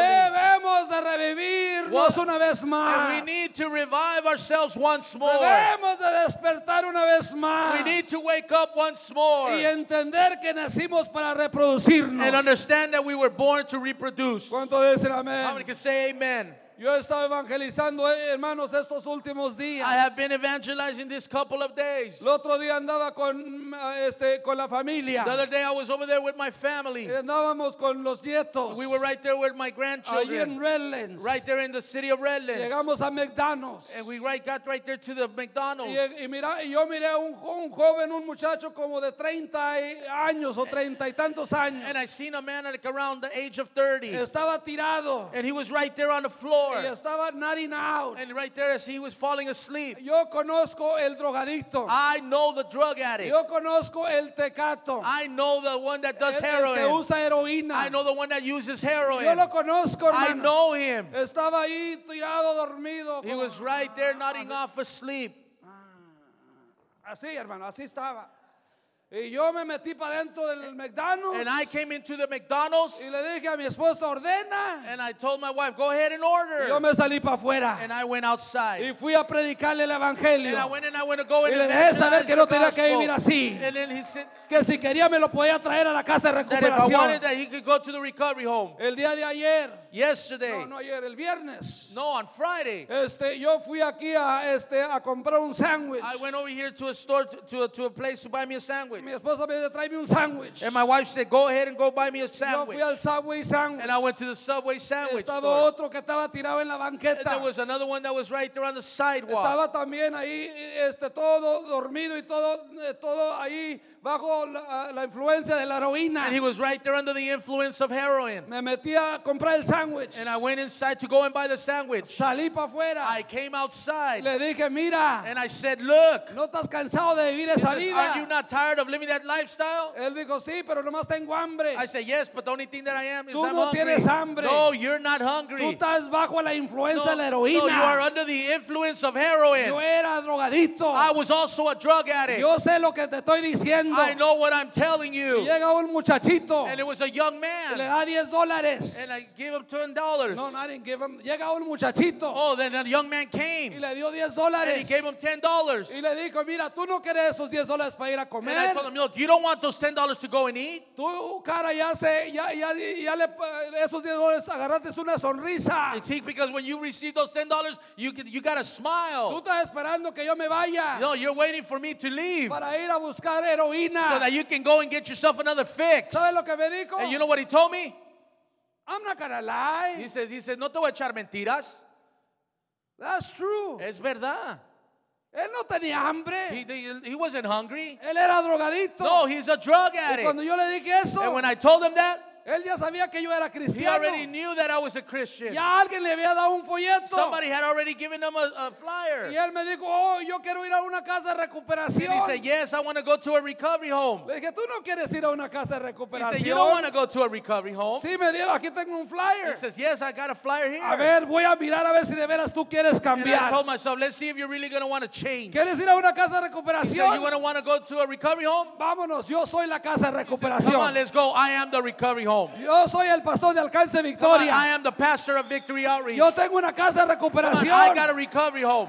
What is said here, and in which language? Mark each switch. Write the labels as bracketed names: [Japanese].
[Spanish] Debemos de revivirnos una vez más. [English] And we need to revive ourselves once more. [Spanish] Debemos de despertar una vez más. [English] We need to wake up once more. [Spanish] Y entender que nacimos para reproducirnos. [English] And understand that we were born to reproduce. [Spanish] ¿Cuánto dicen amén? [English] How many can say amen? [Spanish] Yo he estado evangelizando, hermanos, estos últimos días. [English] I have been evangelizing this couple of days. [Spanish] El otro día andaba con con la familia. [English] The other day I was over there with my family. [Spanish] Andábamos con los nietos. [English] We were right there with my grandchildren. [Spanish] Allí en Redlands. [English] Right there in the city of Redlands. [Spanish] Llegamos a McDonald's. [English] And we got right there to the McDonald's. [Spanish] Y yo miré a un joven, un muchacho como de 30 años o 30 y tantos años. [English] And I seen a man like around the age of 30. [Spanish] Estaba tirado. [English] And he was right there on the floor. floor. [Spanish] Y estaba [English] nodding out. And right there as he was falling asleep. [Spanish] Yo conozco el drogadicto. [English] I know the drug addict. [Spanish] Yo conozco el tecato. [English] I know the one that does heroin. [Spanish] El que usa heroína. [English] I know the one that uses heroin. [Spanish] Yo lo conozco, hermano. [English] I know him. [Spanish] Estaba ahí tirado dormido. [English] He was right there nodding off asleep. [Spanish] Así, hermano, así estaba. Y yo me metí para dentro del McDonald's. [English] And I came into the McDonald's. [Spanish] Y le dije a mi esposa, ordena. [English] And I told my wife, go ahead and order. [Spanish] Y yo me salí para afuera. [English] And I went outside. [Spanish] Y fui a predicarle el evangelio. [English] And I went and I went to go and [Spanish] y le dejé saber que no tenía que vivir así. [English] And then he said, [Spanish] que si quería me lo podía traer a la casa de recuperación. [English] That if I wanted that he could go to the recovery home. [Spanish] El día de ayer. [English] Yesterday. [Spanish] No, no ayer, el viernes. [English] No, on Friday. [Spanish] Yo fui aquí a comprar un sándwich. [English] I went over here to a store to a place to buy me a sandwich. [Spanish] Mi esposa me dijo, tráeme un sándwich. [English] And my wife said, go ahead and go buy me a sandwich. [Spanish] Yo fui al Subway sandwich. [English] And I went to the Subway sandwich. [Spanish] Estaba [English] store. [Spanish] Otro que estaba tirado en la banqueta. [English] And there was another one that was right there on the sidewalk. [Spanish] Estaba también ahí todo dormido y todo ahí. Bajo la influencia de la heroína. [English] And he was right there under the influence of heroin. [Spanish] Me metí a comprar el sandwich. [English] And I went inside to go and buy the sandwich. [Spanish] Salí para afuera. [English] I came outside. [Spanish] Le dije, mira. [English] And I said, look. [Spanish] ¿No estás cansado de vivir esa vida? [English] Are you not tired of living that lifestyle? [Spanish] Él dijo, sí, pero nomás tengo hambre. [English] I said, yes, but the only thing that I am is [Spanish] tú no [English] I'm hungry. [Spanish] Tienes hambre. [English] No, you're not hungry. [Spanish] Tú estás bajo la influencia no, de la heroína. [English] No, you are under the influence of heroin. [Spanish] Yo era drogadicto. [English] I was also a drug addict. [Spanish] Yo sé lo que te estoy diciendo. [English] I know what I'm telling you. [Spanish] Llega un muchachito. [English] And it was a young man. [Spanish] Le da $10. [English] And I gave him $10. No, I didn't give him. [Spanish] Llega un muchachito. [English] Oh, then a young man came. [Spanish] Y le dio $10. [English] And he gave him $10. [Spanish] Y le dijo, mira, tú no quieres esos $10 para ir a comer. [English] And I told him, look, you don't want those $10 to go and eat. [Spanish] Tú cara ya se ya le esos $10 agarraste una sonrisa. [English] And see, because when you receive those $10, you got a smile. [Spanish] Tú estás esperando que yo me vaya. [English] No, you're waiting for me to leave. [Spanish] Para ir a buscar heroína. [English] So that you can go and get yourself another fix. [Spanish] ¿Sabe lo que me dijo? [English] And you know what he told me? I'm not gonna lie. He says, [Spanish] no te voy a echar mentiras. [English] That's true. [Spanish] Es verdad. Él no tenía hambre. [English] He wasn't hungry. [Spanish] Él era drogadicto. [English] No, he's a drug addict. [Spanish] Y cuando yo le dije eso, [English] and when I told him that, [Spanish] él ya sabía que yo era cristiano. [English] He already knew that I was a Christian. [Spanish] Ya alguien le había dado un folleto. [English] Somebody had already given him a flyer. [Spanish] Y él me dijo, oh, yo quiero ir a una casa de recuperación. [English] And he said, yes, I want to go to a recovery home. [Spanish] Le dije, tú no quieres ir a una casa de recuperación. [English] He said, you don't want to go to a recovery home. [Spanish] Sí, me dijo, aquí tengo un flyer. [English] He says, yes, I got a flyer here. [Spanish] A ver, voy a mirar a ver si de veras tú quieres cambiar. [English] And I told myself, let's see if you're really going to want to change. [Spanish] ¿Quieres ir a una casa de recuperación? [English] He said, you going to want to go to a recovery home? [Spanish] Vámonos, yo soy la casa de recuperación. [English] He says, come on, let's go. I am the recovery home. [Spanish] Yo soy el pastor de alcance Victoria. [English] I am the pastor of Victory Outreach. [Spanish] Yo tengo una casa de recuperación. [English] I got a recovery home.